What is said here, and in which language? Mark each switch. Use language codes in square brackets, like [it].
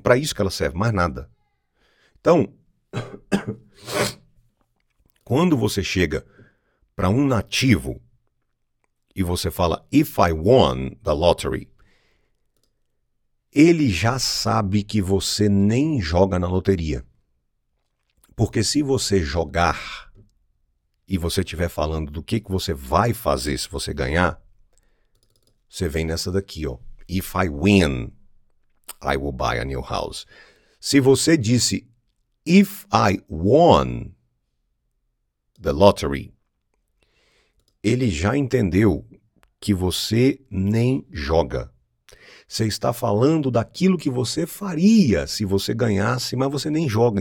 [pt] Para isso que ela serve, mais nada. Então, quando você chega para um nativo e você fala [en] if I won the lottery, [pt] ele já sabe que você nem joga na loteria. Porque se você jogar e você estiver falando do que você vai fazer se você ganhar, você vem nessa daqui, ó. [en] If I win, I will buy a new house. [pt] Se você disse [en] if I won the lottery, [pt] ele já entendeu que você nem joga. Você está falando daquilo que você faria se você ganhasse, mas você nem joga.